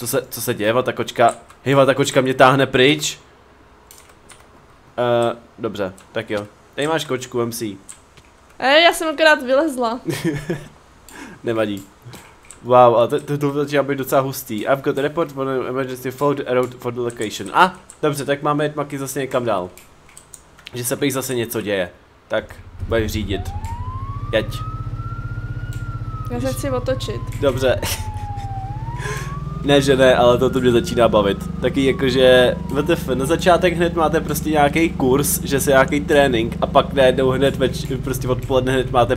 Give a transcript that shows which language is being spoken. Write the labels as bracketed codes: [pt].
[cs] Co se děje, vata kočka? Hej, vata kočka mě táhne pryč. Dobře, tak jo. Tady máš kočku, vem si. Já jsem akorát vylezla. Nevadí. Wow, ale to začíná být docela hustý. [en] I've got a report for an emergency follow the road for the location. [cs] A, dobře, tak máme jet Maky zase někam dál. Že se pejš zase něco děje. Tak, budeš řídit. Jeď. Já se chci otočit. Dobře. Ne, že ne, ale to mě začíná bavit. Taky jakože, VTF, na začátek hned máte prostě nějaký kurz, že se nějaký trénink a pak najednou hned prostě odpoledne hned máte